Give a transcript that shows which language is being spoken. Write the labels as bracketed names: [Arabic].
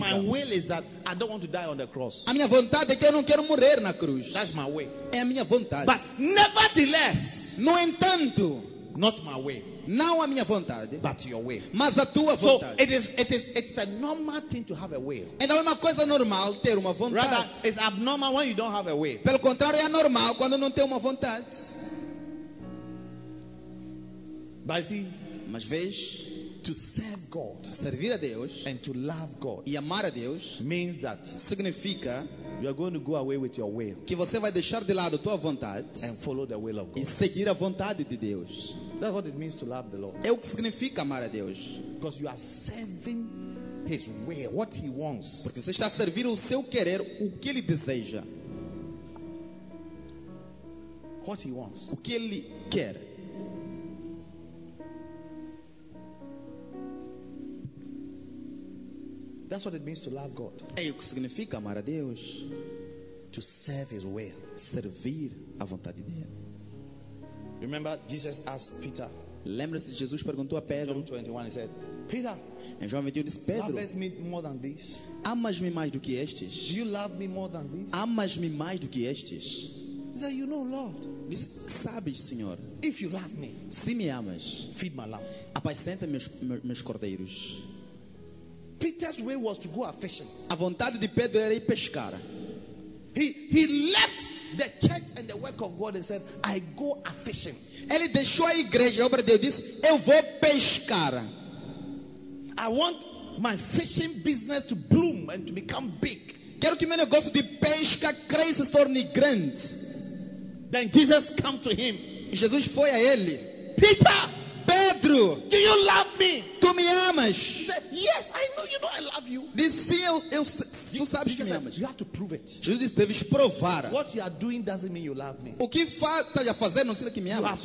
[English] My will is that I don't want to die on the cross. [Portuguese] A minha vontade é que eu não quero morrer na cruz. [English] That's my way. [Portuguese] É a minha vontade. [English] But nevertheless, [Portuguese] no entanto, [English] not my way. [Portuguese] Não a minha vontade, [English] but your way. [Portuguese] Mas a tua [English] so [Portuguese] vontade. [English] So it's a normal thing to have a will. [Portuguese] É uma coisa normal ter uma vontade. [English] Rather, it's abnormal when you don't have a way. [Portuguese] Pelo contrário, é anormal quando não tem uma vontade. Mas vês? [English] To serve God, [Portuguese] servir a Deus, [English] and to love God, [Portuguese] e amar a Deus, [English] means that [Portuguese] significa [English] you are going to go away with your will, [Portuguese] que você vai deixar de lado a tua vontade, [English] and follow the will of God, [Portuguese] e seguir a vontade de Deus. [English] That's what it means to love the Lord. [Portuguese] É o que significa amar a Deus, [English] because you are serving His will, what He wants. [Portuguese] Porque você está a servir o seu querer, o que Ele deseja. [English] What He wants. [Portuguese] O que Ele quer. [English] That's what it means to love God. [Portuguese] É o que significa amar a Deus. [English] To serve His will. [Portuguese] Servir a vontade dele. [English] Remember Jesus asked Peter. [Portuguese] Lembra-se de Jesus perguntou a Pedro. [English] John 21, he said, Peter. [Portuguese] Em João 21 disse Pedro. [English] Loves me more than this. [Portuguese] Amas-me mais do que estes? [English] Do you love me more than this? [Portuguese] Amas-me mais do que estes? [English] He said, you know, Lord. [Portuguese] Diz, sabes, Senhor. [English] If you love me, [Portuguese] se me amas, [English] feed my lamb. [Portuguese] Apascenta meus cordeiros. [English] Peter's way was to go a fishing. [Portuguese] A vontade de Pedro era ir pescar. [English] He left the church and the work of God and said, I go a fishing. [Portuguese] Ele deixou a igreja, a obra de Deus, disse, eu vou pescar. [English] I want my fishing business to bloom and to become big. [Portuguese] Quero que meu negócio de pesca cresça e se torne grande. [English] Then Jesus came to him. [Portuguese] Jesus foi a ele. [English] Peter, [Portuguese] Pedro, [English] do you love me? [Portuguese] Tu me amas? [English] He said, yes, I know you know I love you. [Portuguese] Disse, eu sabes que me amas. [English] You have to prove it. [Portuguese] Jesus disse, deves provar. [English] What you are doing doesn't mean you love me. [Portuguese] O que está a fazer não significa que me amas.